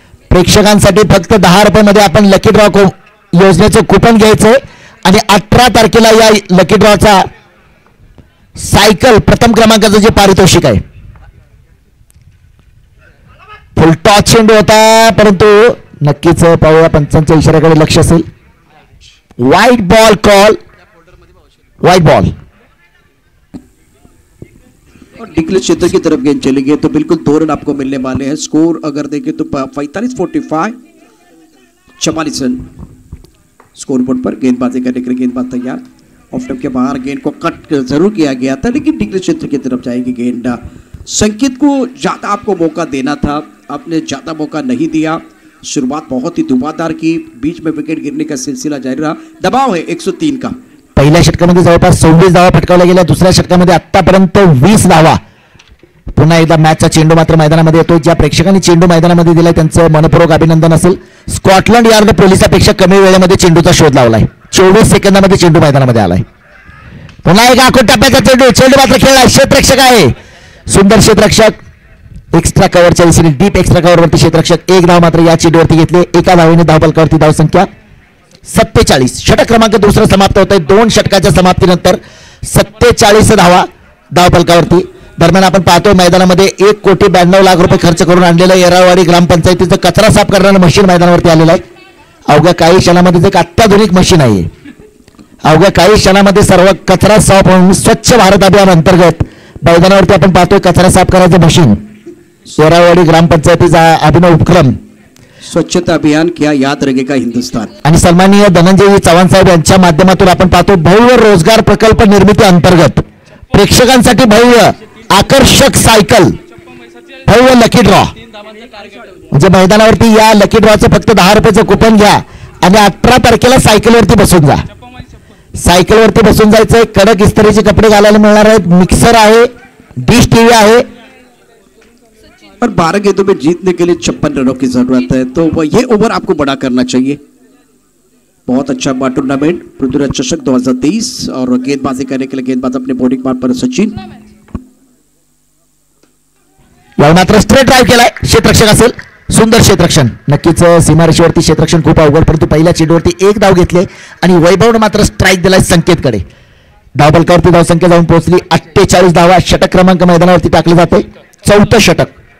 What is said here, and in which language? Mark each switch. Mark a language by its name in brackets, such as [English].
[Marathi] प्रेक्षकांसाठी फक्त 10 रुपयांमध्ये आपण लकी ड्रॉ योजनेचं कूपन घ्यायचंय आणि 18 तारखेला या लकी ड्रॉचा सायकल प्रथम क्रमांकाचं जे पारितोषिक आहे। फुल टॉस चेंडू होता, परंतु नक्कीच पाहूया पंचांच्या इशाऱ्याकडे लक्ष असेल, white ball call, white ball [Hindi] declare क्षेत्र की तरफ गेंद चली गई, तो बिल्कुल दो रन आपको मिलने वाले हैं। स्कोर अगर देखें तो 45-44 रन स्कोर बोर्ड पर। गेंदबाजी करने के लिए गेंदबाज तैयार, ऑफ स्टंप के बाहर गेंद को कट जरूर किया गया था, लेकिन डिक्लेयर क्षेत्र की तरफ जाएगी गेंद। संकेत को ज्यादा आपको मौका देना था, आपने ज्यादा मौका नहीं दिया, शुरुआत बहुत ही धुआंधार की, बीच में विकेट गिरने का सिलसिला जारी रहा। दबाव है 103 का, [Marathi] पहिल्या षटकामध्ये जवळपास 26 धावा फटकावल्या गेल्या, दुसऱ्या षटकामध्ये आतापर्यंत 20 धावा। पुन्हा एकदा मॅचचा चेंडू मात्र मैदानामध्ये येतो, ज्या प्रेक्षकांनी चेंडू मैदानामध्ये दिलाय त्यांचं मनपूर्वक अभिनंदन असेल। स्कॉटलंड यार्ड पोलिसापेक्षा कमी वेळेमध्ये चेंडूचा शोध लावलाय, 24 सेकंदामध्ये चेंडू मैदानामध्ये आलाय। पुन्हा एक आखूड टप्प्याचा चेंडू, चेंडू मात्र खेळला, क्षेत्ररक्षक आहे सुंदर क्षेत्ररक्षक, एक्स्ट्रा कव्हरच्या दिशेने डीप एक्स्ट्रा कव्हर वरती क्षेत्ररक्षक, एक धाव मात्र या चेंडूवरती घेतले, एका धावीने धावपळकावरती धावसंख्या 47, षटक क्रमांक दुसरा समाप्त [Hindi] होता है, [Marathi] दोन षटकाच्या समाप्तीनंतर 47 धावा धावपळकावरती। दरम्यान आपण पाहतोय मैदानामध्ये 1,92,00,000 रुपये खर्च करून आणलेलं येरावाडी ग्रामपंचायतीचं कचरा साफ करणारं मशीन मैदानावरती आलेलं आहे। अवघ्या काही क्षणामध्ये एक अत्याधुनिक मशीन आहे, अवघ्या काही क्षणामध्ये सर्व कचरा साफ होऊन स्वच्छ भारत अभियान अंतर्गत मैदानावरती आपण पाहतोय कचरा साफ करायचं मशीन, येरावाडी ग्रामपंचायतीचा अभिनव उपक्रम, [Hindi] स्वच्छता अभियान क्या याद रहेगा हिंदुस्तान। [Marathi] आणि सन्माननीय धनंजय चव्हाण साहेब यांच्या माध्यमातून आपण पाहतो भव्य रोजगार प्रकल्प निर्मिती अंतर्गत प्रेक्षकांसाठी भव्य आकर्षक सायकल, भव्य लकी ड्रॉ, म्हणजे मैदानावरती या लकी ड्रॉचं फक्त 10 रुपयाचं कूपन घ्या आणि 18 तारखेला सायकलवरती बसून जा, सायकलवरती बसून जायचंय, कडक इस्त्रीचे कपडे घालायला मिळणार आहेत, मिक्सर आहे, डिश टीव्ही आहे, [Hindi] पर 12 गेंदों में जीतने के लिए 56 रनों की जरूरत है, तो ये ओवर आपको बड़ा करना चाहिए। बहुत अच्छा बड़ा टूर्नामेंट पृथ्वीराज चषक 2023, और गेंदबाजी करने के लिए गेंदबाज अपने बॉलिंग पार्ट पर सचिन, [Marathi] मात्र स्ट्रेट ड्राइव केलाय क्षेत्ररक्षक असेल, सुंदर क्षेत्ररक्षण, नक्कीच सीमारेषेवरती क्षेत्ररक्षण खूप अवघड, परंतु पहिल्या चेंडूवरती एक धाव घेतले आणि वैभवने मात्र स्ट्राइक दिलाय संकेतकडे, धावपळकावरती धावसंख्या जाऊन पोहोचली 48 धावा, षटक क्रमांक मैदानावरती टाकले जाते, चौथं षटक।